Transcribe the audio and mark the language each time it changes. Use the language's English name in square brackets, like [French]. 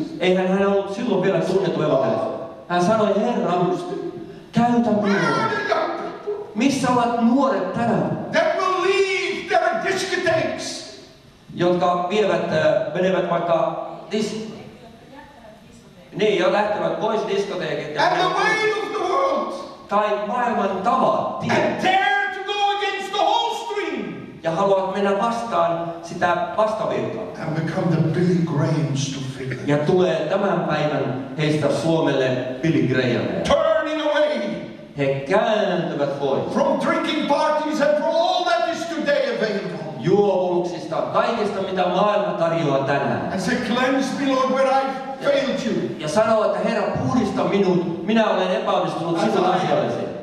[Finnish] Eihän hän ollut silloin vielä tunnettu evankelista. Hän sanoi, Herra, käytä minua. Missä ovat nuoret tänään? [English] That will leave their discotheques. [Finnish] Jotka vievät, menevät vaikka niin, ja lähtevät pois diskoteekit. [English] And the way of the world. [Finnish] Tai maailman tavat. [English] And dare to go against the whole stream. [Finnish] ja haluat mennä vastaan sitä vastavirtaa. [English] And we come to Billy Graham's to Finland. [Finnish] Ja tulee tämän päivän heistä Suomelle Billy Graham. [English] Turning away. [Finnish] He kääntyvät pois. [English] From drinking parties and from all that is today available. [Finnish] Juovuksista, kaikesta mitä maailma tarjoaa tänään. [English] And say, cleanse me, Lord, where I failed you. [Finnish] Ja sanoo, että Herra, puhdista minut, minä olen epäonnistunut sinun asiallesi.